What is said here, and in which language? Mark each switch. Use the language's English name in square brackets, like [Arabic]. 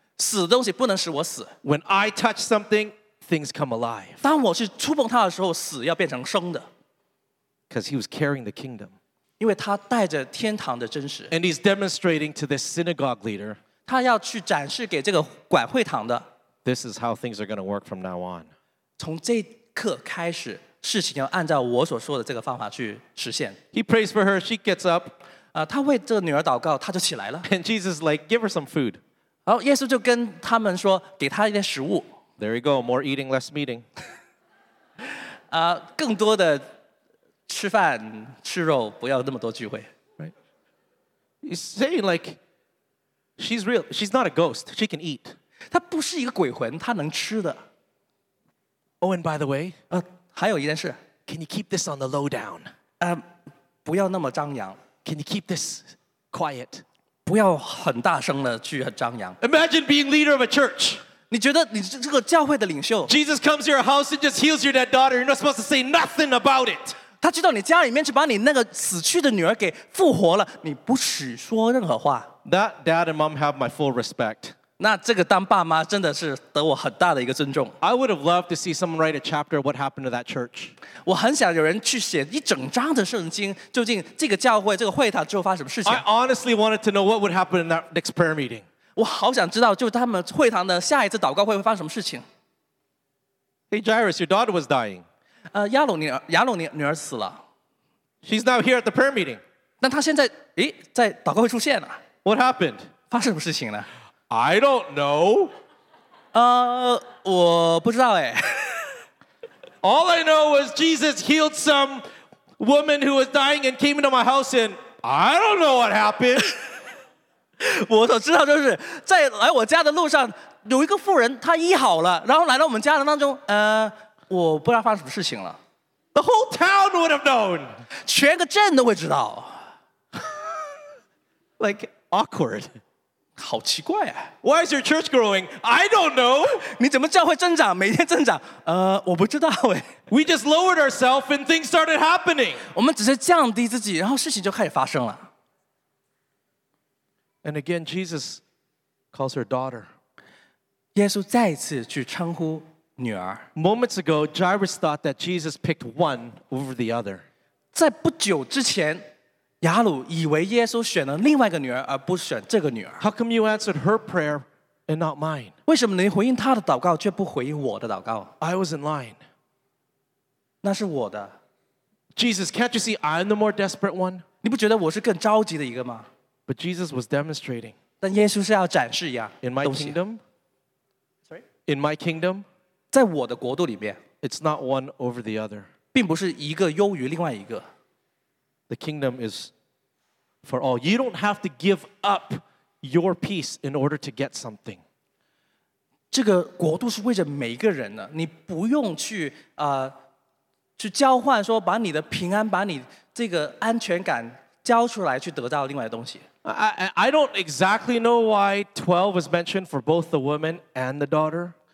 [Chinese] 死东西不能使我死 [English] When I touch something, things come alive. [Chinese] 当我去触碰它的时候死要变成生的 [English] Because he was carrying the kingdom. [Chinese] 因为他带着天堂的真实。 [English] And he's demonstrating to this synagogue leader. [Chinese] 他要去展示给这个管会堂的。 [English] This is how things are going to work from now on. [Chinese] 从这一刻开始，事情要按照我所说的这个方法去实现。 [English] He prays for her, she gets up. [Chinese] 他为这个女儿祷告，她就起来了。 [English] And Jesus is like, give her some food. [Chinese] 然后耶稣就跟他们说，给她一点食物。 [English] There you go, more eating, less meeting. [Chinese] 更多的吃饭吃肉不要那么多聚会 [English] right? He's saying like she's real she's not a ghost she can eat [Chinese] 她不是一个鬼魂她能吃的 [English] oh and by the way [Chinese] 还有一件事 [English] can you keep this on the low down [Chinese] 不要那么张扬 [English] can you keep this quiet [Chinese] 不要很大声的去张扬 [English] imagine being leader of a church [Chinese] 你觉得你这个教会的领袖 [English] Jesus comes to your house and just heals your dead daughter you're not supposed to say nothing about it [Chinese] 他知道你家里面去把你那个死去的女儿给复活了，你不许说任何话。 [English] That dad and mom have my full respect. [Chinese] 那这个当爸妈真的是得我很大的一个尊重。 [English] I would have loved to see someone write a chapter of what happened to that church. [Chinese] 我很想有人去写一整章的圣经，究竟这个教会、这个会堂之后发生什么事情。 [English] I honestly wanted to know what would happen in that next prayer meeting. [Chinese] 我好想知道，就他们会堂的下一次祷告会会发生什么事情。 [English] Hey Jairus, your daughter was dying. [Chinese] 亚鲁女儿死了。 [English] She's now here at the prayer meeting. [Chinese] 但她现在诶在祷告会出现了。 [English] What happened? [Chinese] 发生什么事情了？ [English] I don't know. [Chinese] 我不知道哎。 [English] All I know was Jesus healed some woman who was dying and came into my house and I don't know what happened. [Chinese] 我所知道就是在来我家的路上有一个妇人她医好了然后来到我们家的当中我不知道发生什么事情了。 [English] The whole town would have known. [Chinese] 全个镇都会知道。 [English] Like awkward. [Chinese] 好奇怪啊 [English] Why is your church growing? I don't know. [Chinese] 你怎么教会增长每天增长我不知道哎。 [English] We just lowered ourselves and things started happening. [Chinese] 我们只是降低自己然后事情就开始发生了。 [English] And again, Jesus calls her daughter. [Chinese] 耶稣再次去称呼女儿。 [English] Moments ago, Jairus thought that Jesus picked one over the other. [Chinese] 在不久之前亚鲁以为耶稣选了另外一个女儿而不选这个女儿。 [English] How come you answered her prayer and not mine? [Chinese] 为什么你回应她的祷告却不回应我的祷告 [English] I was in line. [Chinese] 那是我的。 [English] Jesus, can't you see I'm the more desperate one? [Chinese] 你不觉得我是更着急的一个吗 [English] But Jesus was demonstrating. [Chinese] 但耶稣是要展示一样 [English] In my kingdom? Sorry? In my kingdom? [Chinese] 在我的国度里面 [English] It's not one over the other. [Chinese] 并不是一个优于另外一个。 [English] The kingdom is for all. You don't have to give up your peace in order to get something. [Chinese] 这个国度是为着每一个人的，你不用去去交换，说把你的平安、把你这个安全感交出来，去得到另外的东西。 [English] I don't exactly know why 12 was mentioned for both the woman and the daughter.